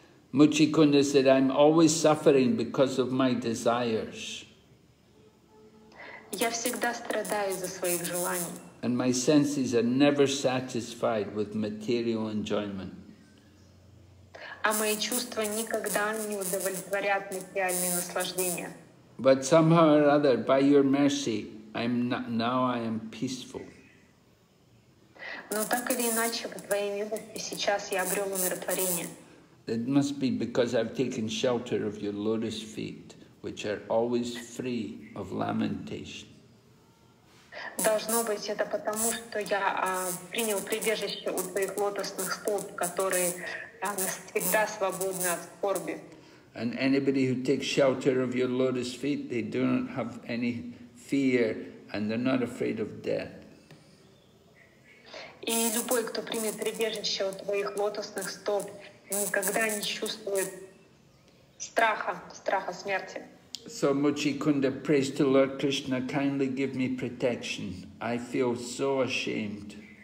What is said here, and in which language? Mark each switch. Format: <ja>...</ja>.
<en>Muchikunda said, I'm always suffering because of my desires.</en> <ru>Я всегда страдаю из-за своих желаний.</ru> <en>And my senses are never satisfied with material enjoyment.</en> <ru>А мои чувства никогда не удовлетворят материальные наслаждения.</ru> <en>But somehow or other, by your mercy, now I am peaceful.</en> <ru>Но так или иначе, по твоей милости, сейчас я обрел умиротворение.</ru> <en>It must be because I've taken shelter of your lotus feet, which are always free of lamentation.</en> <ru>Должно быть это потому, что я принял прибежище у твоих лотосных стоп, которые всегда свободны от скорби.</ru> <en>And anybody who takes shelter of your lotus feet, they do not have any fear and they're not afraid of death.</en> <ru>И любой, кто примет прибежище у твоих лотосных стоп, никогда не чувствует страха смерти.</ru> <en>So Muchikunda prays to Lord Krishna, kindly give me protection. I feel so ashamed.</en>